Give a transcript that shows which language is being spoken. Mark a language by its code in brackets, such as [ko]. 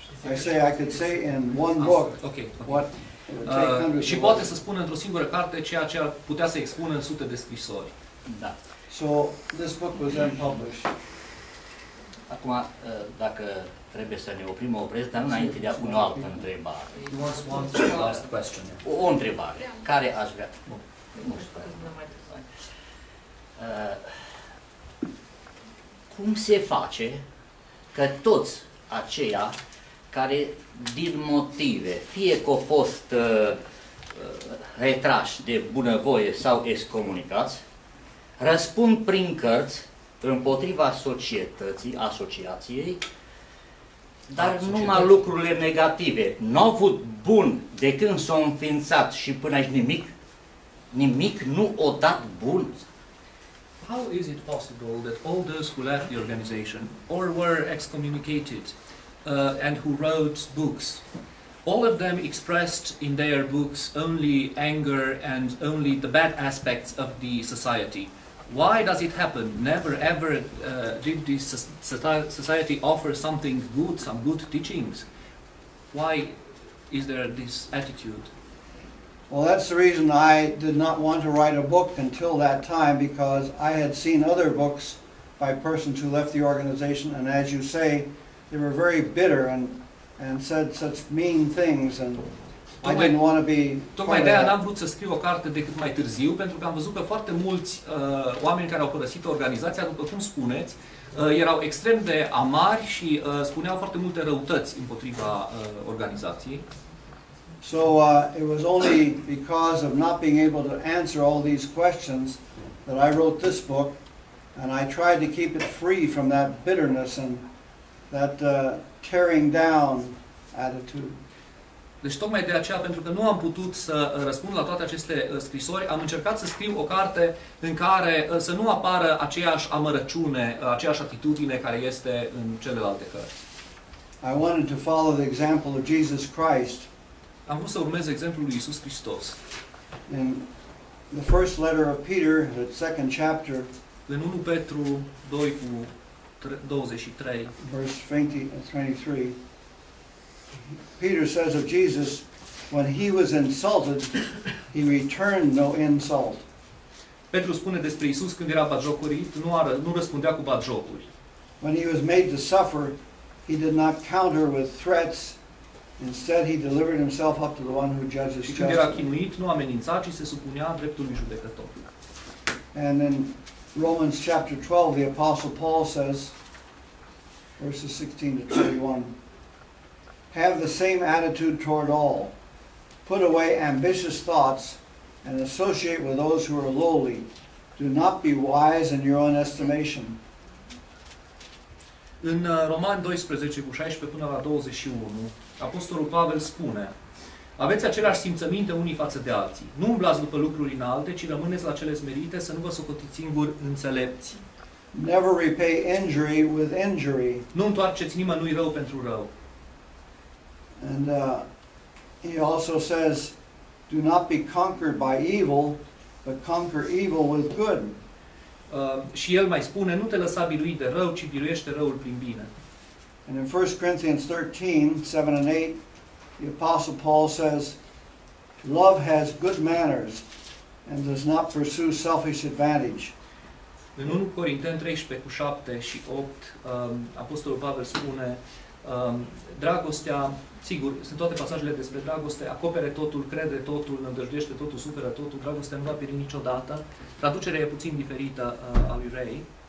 [en] I say I could say in one book. Okay. What? [ro] Și poate să spun într-o singură carte ceea ce ar putea să expună în sute de scrisori. Da. [en] So this book was then published. [ro] Acum, dacă trebuie să ne oprim, mă opresc, dar înainte de a pune o altă întrebare. O întrebare. Care aș vrea? Nu știu. Cum se face că toți aceia care, din motive, fie că au fost retrași de bunăvoie sau excomunicați, răspund prin cărți împotriva societății, asociației, dar numai lucrurile negative. N-au avut bun de când s-au înființat și până aici nimic, nimic nu o dat bun. [en] How is it possible that all those who left the organization or were excommunicated and who wrote books, all of them expressed in their books only anger and only the bad aspects of the society? Why does it happen? Never ever did this society offer something good, some good teachings. Why is there this attitude? Well, that's the reason I did not want to write a book until that time, because I had seen other books by persons who left the organization, and as you say, they were very bitter and said such mean things, and I didn't want to be [ro] tocmai de aia n-am vrut să scriu o carte decât mai târziu, pentru că am văzut că foarte mulți oameni care au părăsit organizația, după cum spuneți, erau extrem de amari și spuneau foarte multe răutăți împotriva organizației. [en] So it was only because of not being able to answer all these questions that I wrote this book, and I tried to keep it free from that bitterness and that tearing down attitude. [ro] Deci tocmai de aceea, pentru că nu am putut să răspund la toate aceste scrisori, am încercat să scriu o carte în care să nu apară aceeași amărăciune, aceeași atitudine care este în celelalte cărți. [en] I wanted to follow the example of Jesus Christ. [ro] Am vrut să urmez exemplul lui Iisus Hristos. [en] In the first letter of Peter, the second chapter, [ro] în 1 Petru 2 cu 23, [en] verse 23, Peter says of Jesus, when he was insulted, he returned no insult. [ro] Petru spune despre Iisus, când era batjocorit, nu răspundea cu batjocuri. [en] When he was made to suffer, he did not counter with threats. Instead, he delivered himself up to the one who judges justly. [ro] Când era chinuit, nu amenința, ci se supunea dreptului judecător. [en] And in Romans chapter 12, the Apostle Paul says, verses 16 to 21, have the same attitude toward all. Put away ambitious thoughts and associate with those who are lowly. Do not be wise in your own estimation. [ro] În Romani 12, cu 16 până la 21, Apostolul Pavel spune: aveți aceleași simțăminte unii față de alții. Nu umblați după lucruri înalte, ci rămâneți la cele smerite, să nu vă socotiți singuri înțelepți. [en] Never repay injury with injury. [ro] Nu întoarceți nimănui rău pentru rău. [en] And he also says, do not be conquered by evil, but conquer evil with good. [ro] Și el mai spune, nu te lăsa biruit de rău, ci biruiește răul prin bine. [en] And in 1 Corinthians 13, 7 and 8, the Apostle Paul says, love has good manners and does not pursue selfish advantage. [ro] În 1 Corinteni 13, cu 7 și 8, Apostolul Pavel spune, dragostea, sigur, sunt toate pasajele despre dragoste, acopere totul, crede totul, nădăjduiește totul, supără totul, dragostea nu va pieri niciodată. Traducerea e puțin diferită a lui Ray.